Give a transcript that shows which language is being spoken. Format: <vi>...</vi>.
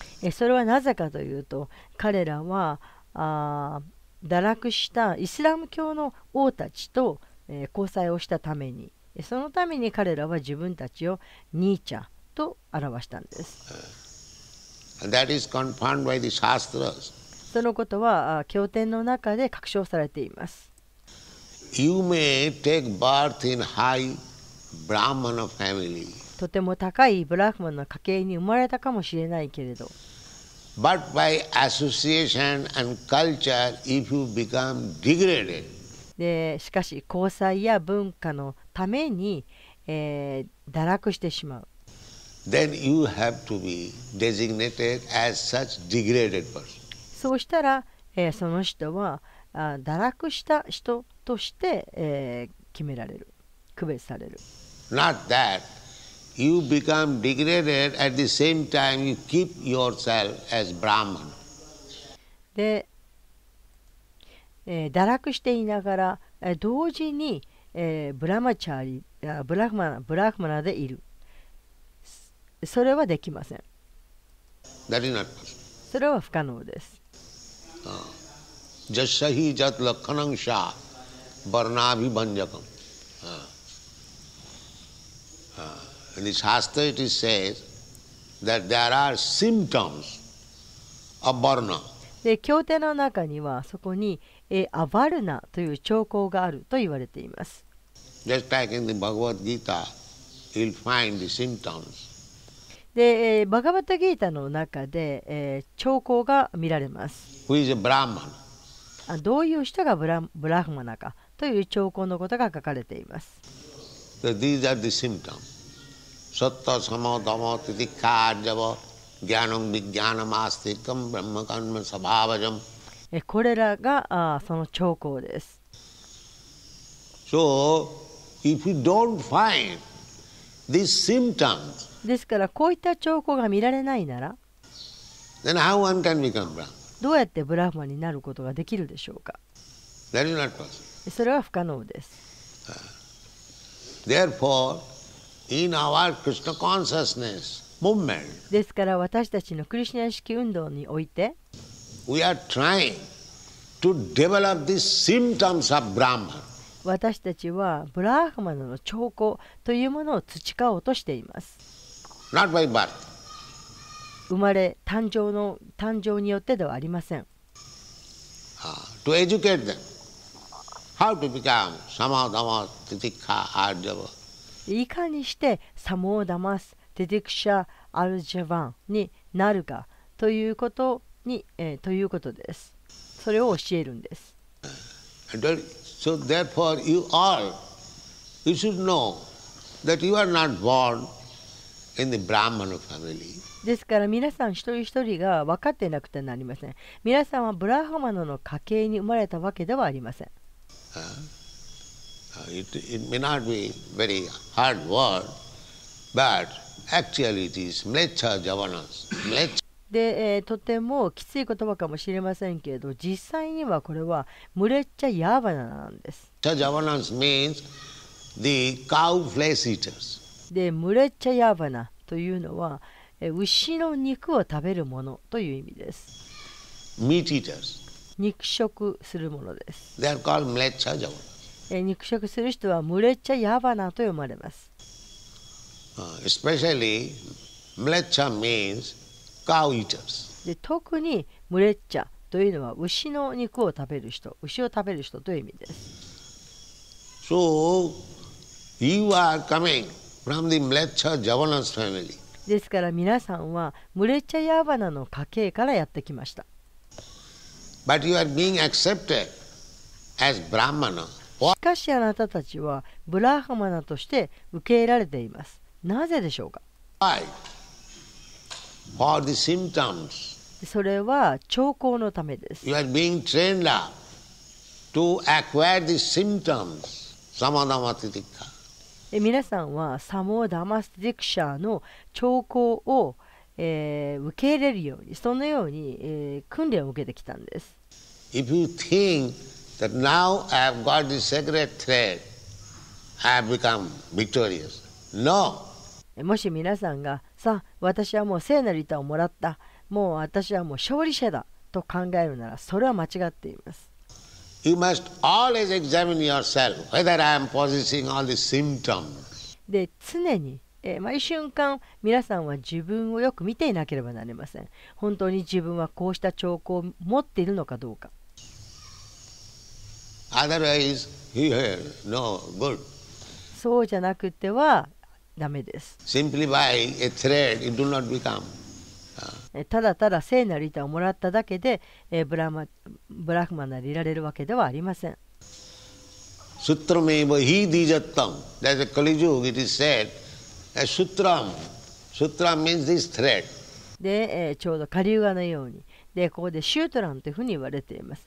<ja>それはなぜかというと、彼らは堕落したイスラム教の王たちと交際をしたために、そのために彼らは自分たちをニーチャと表したんです。</ja> <en>That is confirmed by the Shastras.</en> <ja>そのことは経典の中で確証されています。</ja> <en>You may take birth in high Brahmana family.</en> <ja>とても高いブラフマンの家系に生まれたかもしれないけれど。</ja> <en>But by association and culture, if you become degraded.</en> <ja>で、しかし交際や文化のために、堕落してしまう。</ja> <en>Then you have to be designated as such degraded person.</en> <ja>そうしたら、その人は堕落した人として、決められる、区別される。</ja> <en>Not that you become degraded at the same time you keep yourself as Brahman.</en> <ja>で、堕落していながら、同時に、ブラマチャーリ、ブラフマナでいる、それはできません。</ja> <en>That is not possible.</en> <ja>それは不可能です。</ja> <sa>Jasya hi jat lakhanam sha varnabhi bhanjakam.</sa> <en>In the Shastra it is said that there are symptoms of varna.</en> <ja>で、経典の中にはそこにアバルナという兆候があると言われています。</ja> <en>Just like in the Bhagavad Gita, you'll find the symptoms.</en> <ja>で、バガヴァタギータの中で、兆候が見られます。</ja> <en>Who is a Brahman?</en> <ja>どういう人がブラフマナかという兆候のことが書かれています。</ja> <en>So these are the symptoms.</en> <sa>Satta sama dama titi kajava gyanam vijnanam astikam brahma karma sabhavajam.</sa> <ja>これらがその兆候です。</ja> <en>So if you don't find these symptoms,</en> <ja>ですからこういった兆候が見られないなら、</ja> <en>then how one can become Brahman?</en> <ja>どうやってブラフマンになることができるでしょうか。</ja> <en>That is not possible.</en> <ja>それは不可能です。</ja> <en>Therefore, in our Krishna consciousness movement,</en> <ja>ですから私たちのクリシナ意識運動において、</ja> <en>we are trying to develop these symptoms of Brahman.</en> <ja>私たちはブラーフマナの兆候というものを培おうとしています。</ja> <en>Not by birth.</en> <ja>生まれ誕生によってではありません。</ja> <en>To educate them, how to become</en> <sa>samo dhamma titiksha arjava.</sa> <ja>いかにしてサモーダマスティティクシャアルジャヴァンになるかということに、ということです。それを教えるんです。</ja> <en>So therefore, you all, you should know that you are not born in the Brahmana family.</en> <ja>ですから皆さん一人一人が分かってなくてなりません。皆さんはブラハマナの家系に生まれたわけではありません。</ja> <en>It may not be very hard word, but actually it is mlecha javanas.</en> <ja>で、とてもきつい言葉かもしれませんけれど、実際にはこれはムレッチャヤーバナなんです。</ja> <en>ムレッチャヤーバナ means the cow flesh eaters。</en> <ja>で、ムレッチャヤーバナというのは、牛の肉を食べるものという意味です。</ja> <en>meat eaters。</en> <ja>肉食するものです。</ja> <en>They are called ムレッチャヤーバナ。</en> <ja>肉食する人はムレッチャヤーバナと呼ばれます。</ja> <en>Especially ムレッチャ means Cow eaters.</en> <ja>で特にムレッチャというのは牛の肉を食べる人、牛を食べる人という意味です。</ja> <en>So you are coming from the mlecha javanas family.</en> <ja>ですから皆さんはムレッチャヤーバナの家系からやってきました。</ja> <en>But you are being accepted as brahmana.</en> <ja>しかしあなたたちはブラハマナとして受け入れられています。なぜでしょうか。</ja> <en>Why? For the symptoms.</en> <ja>それは兆候のためです。</ja> <en>You are being trained up to acquire the symptoms, samadama titiksha.</en> <ja>皆さんはサモダマスティクシャの兆候を、受け入れるように、そのように、訓練を受けてきたんです。</ja> <en>If you think that now I have got the sacred thread, I have become victorious. No.</en> <ja>もし皆さんがさ、私はもう聖なる板をもらった、もう私はもう勝利者だと考えるなら、それは間違っています。</ja> <en>You must always examine yourself whether I am possessing all the symptoms.</en> <ja>で、常に、毎瞬間、皆さんは自分をよく見ていなければなりません。本当に自分はこうした兆候を持っているのかどうか。</ja> <en>Otherwise, here, no good.</en> <ja>そうじゃなくては、ダメです。</ja> <en>Simply by a thread, you do not become.</en> <ja>ただただ聖なる板をもらっただけで、ブラフマンになりられるわけではありません。</ja> <sa>Sutram eva hi dijattam.</sa> <en>That's a Kali Yuga, it is said. Sutram. Sutram means this thread.</en> <ja>で、ちょうどカリウガのように。で、ここでシュートランというふうに言われています。</ja>